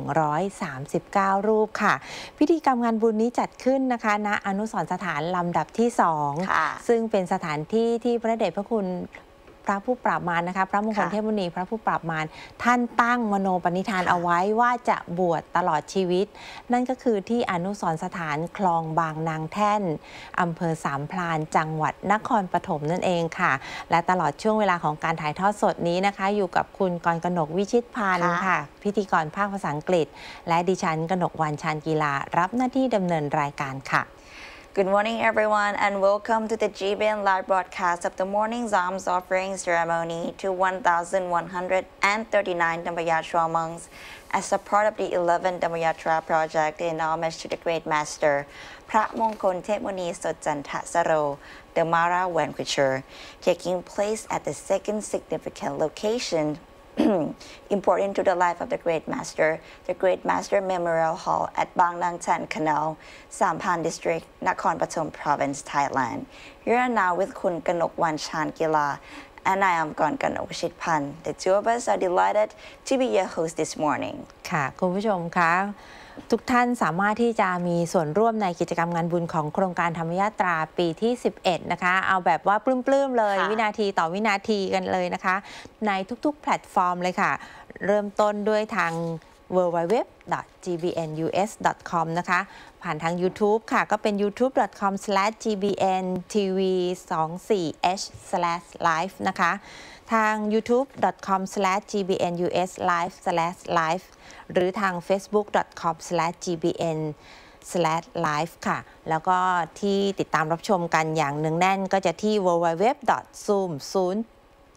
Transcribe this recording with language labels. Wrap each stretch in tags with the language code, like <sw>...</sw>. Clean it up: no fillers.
<th>1,139 รูปค่ะพิธีกรรมงานบุญนี้จัดขึ้นนะคะณอนุสรณ์สถานลำดับที่2ซึ่งเป็นสถานที่ที่พระเดชพระคุณพระผู้ปราบมารนะคะพระมงคลเทพมุนีพระผู้ปราบมารท่านตั้งมโนปณิธานเอาไว้ว่าจะบวชตลอดชีวิตนั่นก็คือที่อนุสรณ์สถานคลองบางนางแท่น อำเภอสามพรานจังหวัดนครปฐมนั่นเองค่ะและตลอดช่วงเวลาของการถ่ายทอดสดนี้นะคะอยู่กับคุณกรกนกวิชิตพันธ์ค่ะพิธีกรภาคภาษาอังกฤษและดิฉันกนกวรรณชาญกีฬารับหน้าที่ดำเนินรายการค่ะ</th> <en>Good morning, everyone, and welcome to the GBN live broadcast of the morning Zams offering ceremony to 1,139 Dhammayatra monks as a part of the 11th Dhammayatra project in homage to the great master, Phra Mongkhon Thep Muni Sot Chan Tha Saro, the Mara Vanquisher, taking place at the second significant location important to the life of the great master, the Great Master Memorial Hall at Bang Nang Chan Canal, Samphan District, Nakhon Pathom Province, Thailand. Here and now with Khun Kanok Wan Chan Gila, and I am Gon Kanok Shit Pan. The two of us are delighted to be your host this morning.</en> <th>ค่ะคุณผู้ชมค่ะทุกท่านสามารถที่จะมีส่วนร่วมในกิจกรรมงานบุญของโครงการธรรมยาตราปีที่11นะคะเอาแบบว่าปลื้มๆเลยวินาทีต่อวินาทีกันเลยนะคะในทุกๆแพลตฟอร์มเลยค่ะเริ่มต้นด้วยทาง www.gbnus.com นะคะผ่านทาง YouTube ค่ะก็เป็น youtube.com/gbntv24h/live นะคะทาง youtube.com/gbnus/live หรือทาง facebook.com/gbn/live ค่ะแล้วก็ที่ติดตามรับชมกันอย่างเนื่องแน่นก็จะที่ www.zoom0</th>